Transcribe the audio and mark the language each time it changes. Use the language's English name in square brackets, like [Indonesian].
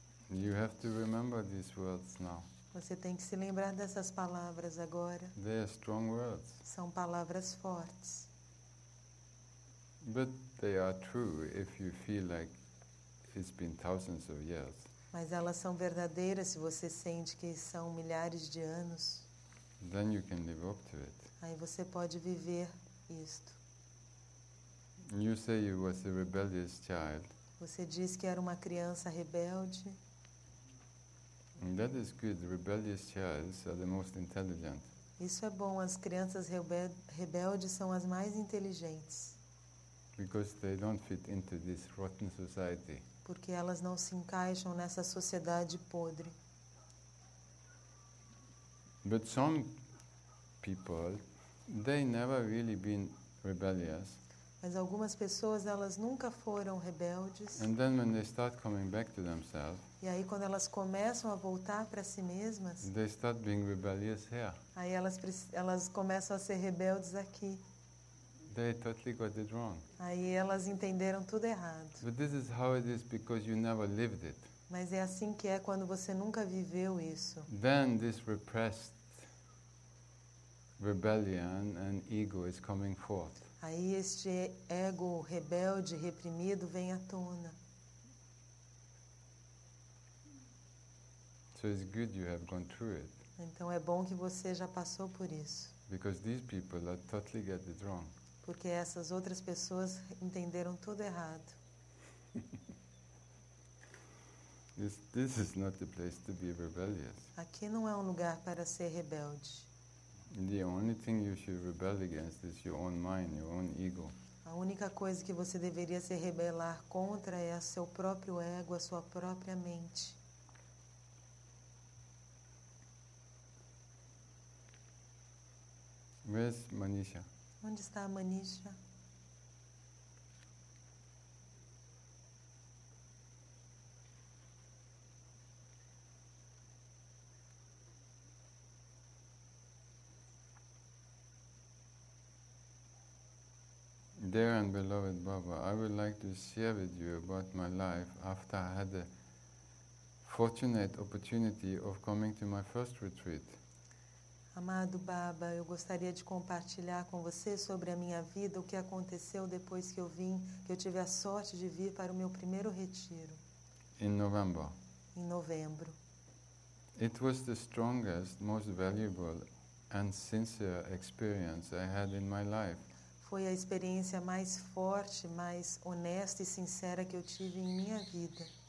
[English] You have to remember these words now. [Portuguese] Você tem que se lembrar dessas palavras agora. [English] They are strong words. [Portuguese] São palavras fortes. [English] But they are true if you feel like it's been thousands of years. [Portuguese] Mas elas são verdadeiras se você sente que são milhares de anos. [English] Then you can live up to it. [Portuguese] Aí você pode viver isto. [English] You say you was a rebellious child. [Portuguese] Você diz que era uma criança rebelde. [English] And that is good. Rebellious children are the most intelligent. [Portuguese] Isso é bom. As crianças rebeldes são as mais inteligentes. [English] Because they don't fit into this rotten society. [Portuguese] Porque elas não se encaixam nessa sociedade podre. [English] But some people, they never really been rebellious. [Portuguese] Mas algumas pessoas, elas nunca foram rebeldes. [English] And then when they start coming back to themselves, [Portuguese] e aí quando elas começam a voltar para si mesmas, [English] they start being rebellious here. [Portuguese] Aí elas começam a ser rebeldes aqui. [English] They totally got it wrong. [Portuguese] Aí elas entenderam tudo errado. [English] But this is how it is because you never lived it. [Portuguese] Mas é assim que é quando você nunca viveu isso. [English] Then this repressed rebellion and ego is coming forth. [Portuguese] Aí este ego rebelde, reprimido, vem à tona. [English] So it's good you have gone through it. [Portuguese] Então é bom que você já passou por isso. [English] Because these people are totally get it wrong. [Portuguese] Porque essas outras pessoas entenderam tudo errado. [English] This is not the place to be rebellious. [Portuguese] Aqui não é um lugar para ser rebelde. [English] The only thing you should rebel against is your own mind, your own ego. [Portuguese] A única coisa que você deveria se rebelar contra é o seu próprio ego, a sua própria mente. [English] Where's Manisha? [Portuguese] Onde está a Manisha? [English] Dear and beloved Baba, I would like to share with you about my life after I had the fortunate opportunity of coming to my first retreat. [Portuguese] Amado Baba, eu gostaria de compartilhar com você sobre a minha vida, o que aconteceu depois que eu vim, que eu tive a sorte de vir para o meu primeiro retiro. [English] In November. [Portuguese] Em novembro. [English] It was the strongest, most valuable and sincere experience I had in my life. [Portuguese] Foi a experiência mais forte, mais honesta e sincera que eu tive em minha vida.